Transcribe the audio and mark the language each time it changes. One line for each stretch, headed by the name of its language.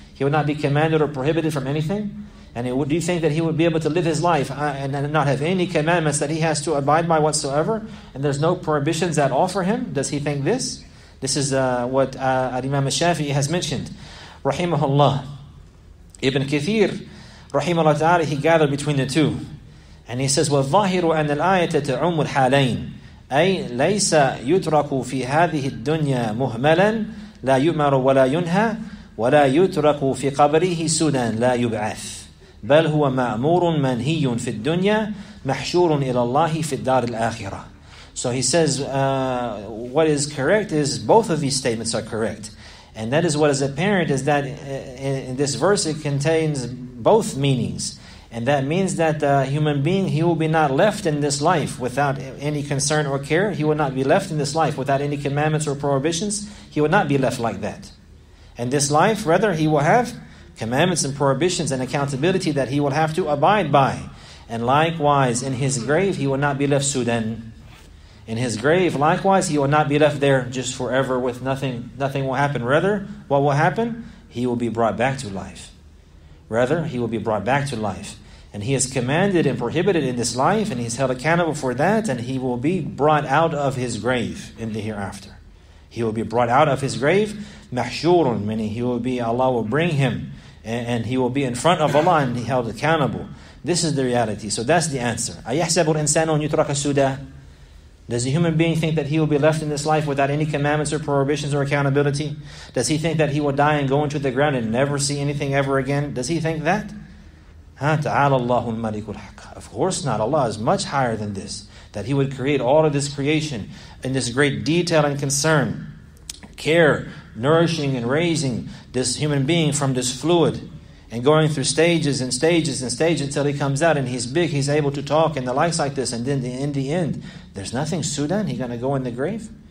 English: He will not be commanded or prohibited from anything? And do you think that he would be able to live his life and not have any commandments that he has to abide by whatsoever? And there's no prohibitions at all for him? Does he think this? This is what Imam al-Shafi'i has mentioned. Rahimahullah. Ibn Kathir, rahimahullah ta'ala, he gathered between the two. And he says,
Arabic: وَالظَّاهِرُ أَنَّ الْآيَةَ تَعُمُّ الْحَالَيْنِ أي ليس يترك في هذه الدنيا مهملا لا يؤمر ولا ينهى ولا يترك في قبره سدى لا يبعث بل هو مأمور منهي في الدنيا محشور إلى الله في الدار الآخرة.
English: So he says, what is correct is both of these statements are correct, and that is what is apparent is that in this verse it contains both meanings. And that means that the human being, he will be not left in this life without any concern or care. He will not be left in this life without any commandments or prohibitions. He will not be left like that. And this life, rather, he will have commandments and prohibitions and accountability that he will have to abide by. And likewise, in his grave, he will not be left sudan. In his grave, likewise, he will not be left there just forever with nothing. Nothing will happen. Rather, what will happen? He will be brought back to life. Rather, he will be brought back to life. And he is commanded and prohibited in this life, and he is held accountable for that, and he will be brought out of his grave in the hereafter. He will be brought out of his grave, mahshurun, meaning he will be, Allah will bring him, and he will be in front of Allah and be held accountable. This is the reality. So that's the answer.
Arabic: أَيَحْسَبُ الْإِنسَانُ أَنْ يُتْرَكَ سُدًى.
English: Does the human being think that he will be left in this life without any commandments or prohibitions or accountability? Does he think that he will die and go into the ground and never see anything ever again? Does he think that? Ha,
Arabic: ta'ala Allahu al-Malik al-Haq.
English: Of course not. Allah is much higher than this. That he would create all of this creation in this great detail and concern, care, nourishing and raising this human being from this fluid, and going through stages and stages and stages until he comes out and he's big, he's able to talk and the likes like this, and then in the end, there's nothing sudan, he's going to go in the grave?